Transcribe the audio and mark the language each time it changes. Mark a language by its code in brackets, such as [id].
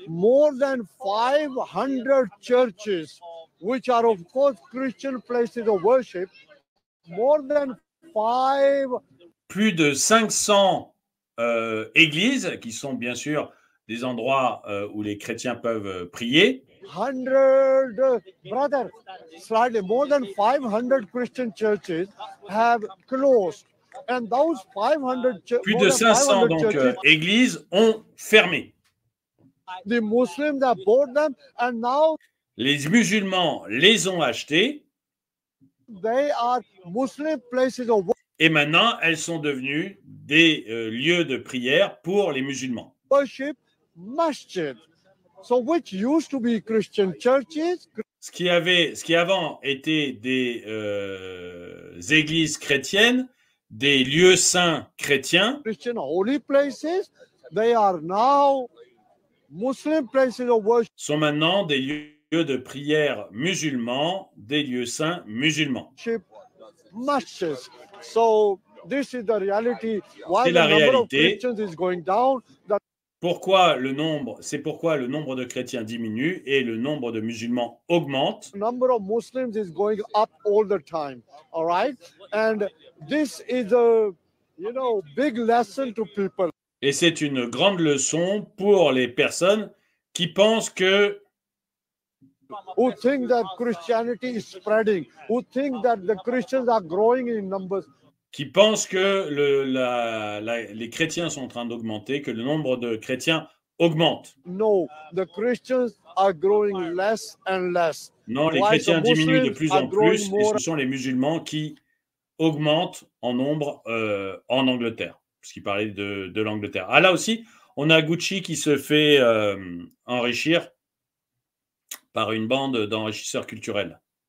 [en] more than 500 churches, which are of course Christian places of worship, more than five... [fr] plus de 500 églises, qui sont bien sûr des endroits où les chrétiens peuvent prier, [en] 100 brother slightly more than 500 Christian churches have closed and those 500 [fr] plus de 500 donc églises ont fermé. [en] The Muslims have bought them and now [fr] les musulmans les ont achetés. [en] They are Muslim places of worship. [fr] Et maintenant elles sont devenues des lieux de prière pour les musulmans. [en] Worship masjid. So which used to be Christian churches? [fr] Ce qui avant était des églises chrétiennes, des lieux saints chrétiens. [en] Christian holy places, they are now Muslim places of worship. [fr] Sont maintenant des lieux de prière musulmans, des lieux saints musulmans. [en] Masjids. So this is the reality. Why the number of Christians is going down? [fr] Pourquoi le nombre, c'est pourquoi le nombre de chrétiens diminue et le nombre de musulmans augmente. [en] The number of Muslims is going up all the time, all right? And this is a, you know, big lesson to people. [fr] Et c'est une grande leçon pour les personnes qui pensent que [en] who think that Christianity is spreading, who think that the Christians are growing in numbers. [fr] Qui pensent que les chrétiens sont en train d'augmenter, que le nombre de chrétiens augmente. [en] No, the Christians are growing less and less. [fr] Non, les chrétiens diminuent de plus en plus, et ce sont les musulmans qui augmentent en nombre en Angleterre, puisqu'il parlait de l'Angleterre. Ah, là aussi, on a Gucci qui se fait enrichir par une bande d'enrichisseurs culturels.